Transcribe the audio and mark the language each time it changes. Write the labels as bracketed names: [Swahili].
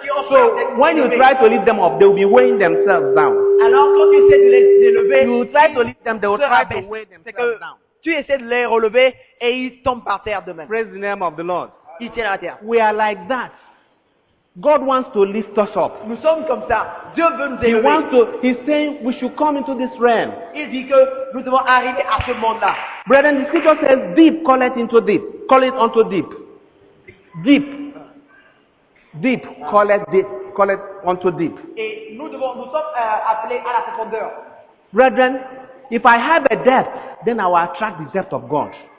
[English] So when you try to lift them up, they will be weighing themselves down. [French] Alors quand tu essaies de les lever, [English] you try to lift them, they will try to weigh themselves down. [French] Tu essaies de les relever et ils tombent par terre demain. [English] Praise the name of the Lord. [French] Ils tiennent à la terre. [English] We are like that. God wants to lift us up. [French] Nous sommes comme ça. Dieu veut nous élever. [English] He wants to. He's saying we should come into this realm. [French] Il dit que nous devons arriver à ce monde-là. [English] Brethren, the scripture says, "Deep, call it into deep. Call it unto deep. Deep, deep, call it deep. Call it unto deep." [French] Et nous sommes appelés à la profondeur. [English] Brethren, if I have a depth, then I will attract the depth of God.